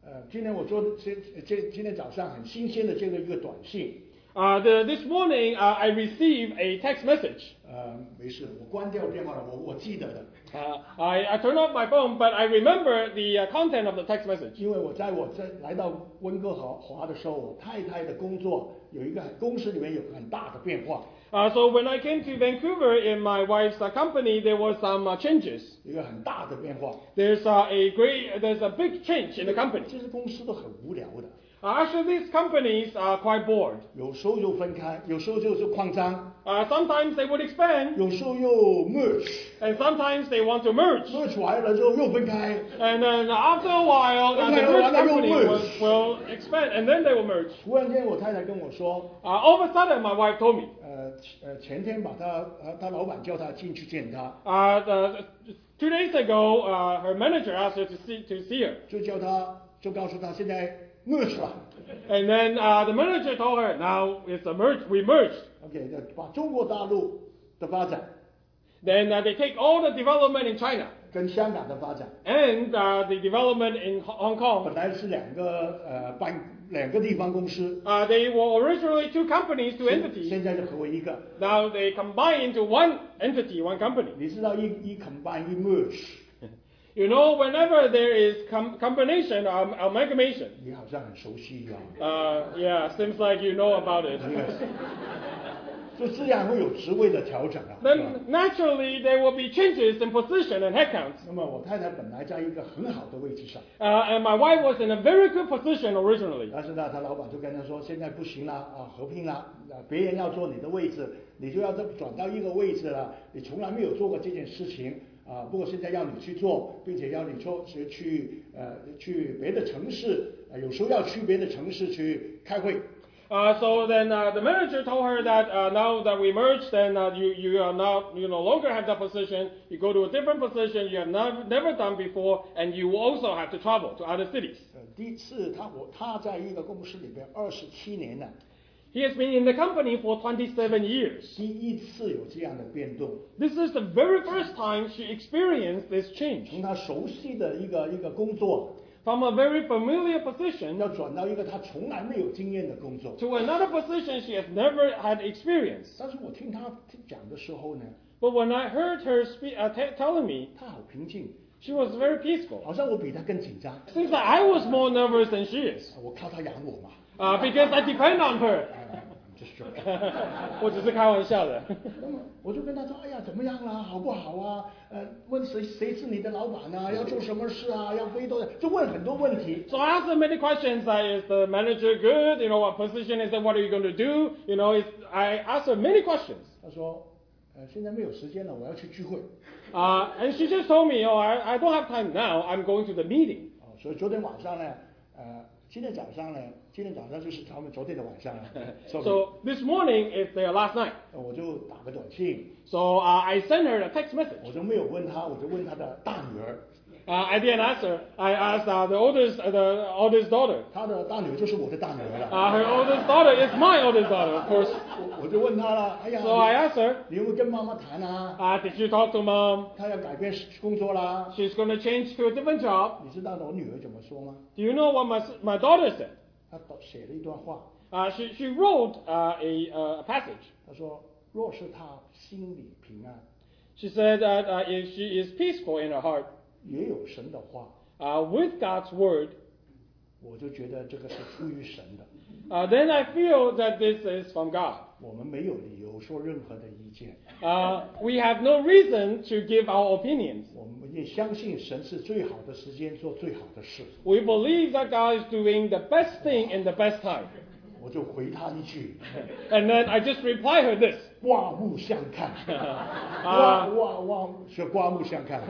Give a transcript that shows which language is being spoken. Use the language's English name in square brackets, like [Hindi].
[Chinese] 今天我做今天早上很新鲜的这个一个短信。 [English] This morning, I received a text message. [Chinese] 没事，我关掉电话了，我记得的。 [English] I turned off my phone, but I remember the content of the text message. [Chinese] 因为我在来到温哥华的时候，我太太的工作有一个公司里面有很大的变化。 [English] So when I came to Vancouver in my wife's company, there were some changes. [Chinese] 一个很大的变化。 [English] There's a big change in the company. [Chinese] 这些公司都很无聊的。 [English] Actually, these companies are quite bored. [Chinese] 有时候就分开，有时候就是扩张。 [English] Sometimes they would expand. [Chinese] 有时候又 merge. [English] And sometimes they want to merge. [Chinese] Merge 完了之后又分开。 [English] And then after a while, the first company will expand, and then they will merge. [Chinese] 突然间，我太太跟我说。 [English] All of a sudden, my wife told me. [Chinese] 前天把她，她老板叫她进去见她。 [English] Two days ago, her manager asked her to see her. [Chinese] 就告诉她现在。Merge 了 [English] and then the manager told her, now it's a merge, we merged. [Chinese] Okay, 把中国大陆的发展 [English] Then they take all the development in China. [Chinese] 跟香港的发展 [English] And the development in Hong Kong. [Chinese] 本来是两个地方公司 [English] They were originally two companies, two entities. [Chinese] 现在就合为一个 [English] Now they combine into one entity, one company. [Chinese] 你知道一 combine, 一 merge. [English] You know, whenever there is combination, amalgamation. [Chinese] 你好像很熟悉一样。 [English] Yeah, seems like you know about it. [Chinese] 就自然会有职位的调整啊。 [English] Then naturally there will be changes in position and headcounts. [Chinese] 那么我太太本来在一个很好的位置上。 [English] And my wife was in a very good position originally. [Chinese] 但是呢，她老板就跟她说，现在不行了啊，合并了。别人要坐你的位置，你就要转到一个位置了。你从来没有做过这件事情。不过现在要你去做，并且要你去别的城市，有时候要去别的城市去开会。 [English] So then the manager told her that now that we merged, then you are not you no longer have that position. You go to a different position you have never done before, and you also have to travel to other cities. [Chinese] 第一次他在一个公司里边27年了。 [English] He has been in the company for 27 years. [Chinese] 第一次有这样的变动。 [English] This is the very first time she experienced this change. [Chinese] 从她熟悉的一个工作。 [English] From a very familiar position. [Chinese] 要转到一个她从来没有经验的工作。 [English] To another position she has never had experience. [Chinese] 但是我听她讲的时候呢。 [English] But when I heard her telling me. [Chinese] 她好平静。 [English] She was very peaceful. [Chinese] 好像我比她更紧张。 [English] Seems like I was more nervous than she is. [Chinese] 我靠她养我嘛。 [English] Because I depend on her. I'm just joking. [Chinese] 我只是开玩笑的。那么我就跟他说，哎呀，怎么样啦？好不好啊？问谁是你的老板啊？要做什么事啊？要飞多少？就问很多问题。 [English] So I asked many questions. Is the manager good? You know, what position is it? What are you going to do? You know, I asked many questions. [Chinese] 他说，现在没有时间了，我要去聚会。 [English] And she just told me, I don't have time now. I'm going to the meeting. [Chinese] 所以昨天晚上呢，今天早上呢。今天早上就是他们昨天的晚上了。 [English] So this morning is their last night. [Chinese] 我就打个短信。 [English] So I sent her a text message. [Chinese] 我就没有问他，我就问他的大女儿。 [English] I didn't answer. I asked the oldest daughter. [Chinese] 她的大女儿就是我的大女儿了。 [English] Her oldest daughter is my oldest daughter, of course. [Chinese] 我就问她了，哎呀。 [English] So I asked her. [Chinese] 你有没有跟妈妈谈啊？ [English] Did you talk to mom? [Chinese] 她要改变工作啦。 [English] She's going to change to a different job. [Chinese] 你知道我女儿怎么说吗？ [English] Do you know what my daughter said? [Chinese] 她写了一段话。 [English] She wrote a passage. [Chinese] 她说，若是她心里平安。 [English] She said that if she is peaceful in her heart, [Chinese] 也有神的话, [English] with God's word, [Chinese] 我就觉得这个是出于神的, [English] then I feel that this is from God. [Chinese] 我们没有理由说任何的意见, [English] we have no reason to give our opinions. [Chinese] 我们也相信神是最好的时间做最好的事。 [English] We believe that God is doing the best thing in the best time. [Chinese] 我就回他一句, [English] and then I just reply her this. [Chinese] 刮目相看，刮刮刮，是刮目相看。